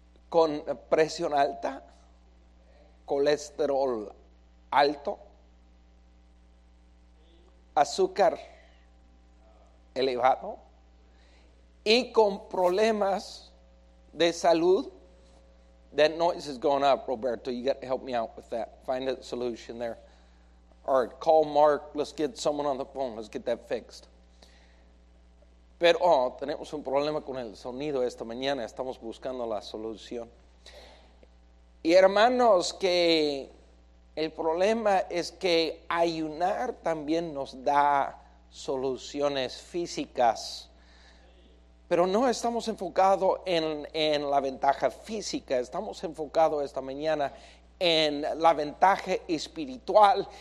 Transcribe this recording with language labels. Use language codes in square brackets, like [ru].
[es] Con presión alta. Colesterol alto. Azúcar elevado. Y con problemas de salud. [en] That noise is going up, Roberto. You got to help me out with that. Find a solution there. All right, call Mark. Let's get someone on the phone. Let's get that fixed. [es] Pero oh, tenemos un problema con el sonido esta mañana, estamos buscando la solución. Y hermanos, que el problema es que ayunar también nos da soluciones físicas, pero no estamos enfocados en la ventaja física, estamos enfocados esta mañana en la ventaja espiritual.